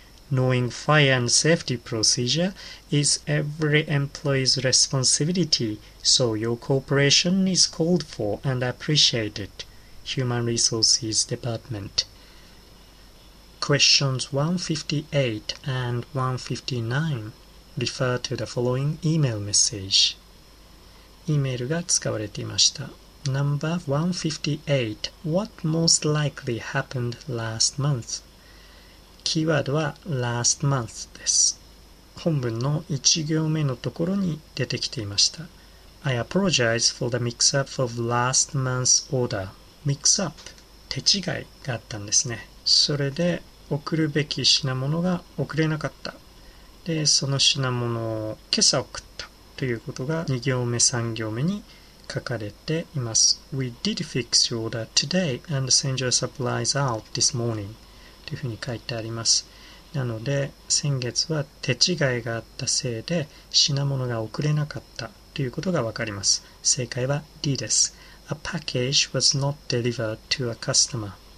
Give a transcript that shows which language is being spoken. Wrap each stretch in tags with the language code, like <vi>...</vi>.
<en>Knowing fire and safety procedure is every employee's responsibility, so your cooperation is called for and appreciated. Human Resources Department. Questions 158 and 159 refer to the following email message.</en> <ja>E メールが使われていました。</ja> <en>Number 158. What most likely happened last month?</en> <ja>キーワードは</ja> <en>last month</en> <ja>です。本文の1行目のところに出てきていました。</ja> <en>I apologize for the mix-up of last month's order. Mix-up.</en> <ja>手違いがあったんですね。それで送るべき品物が送れなかった。で、その品物を今朝送ったということが2行目3行目に書かれています。</ja> <en>We did fix your order today and send your supplies out this morning</en> <ja>というふうに書いてあります。なので、先月は手違いがあったせいで品物が送れなかったということがわかります。正解は D です。</ja> <en>A package was not delivered to a customer.</en>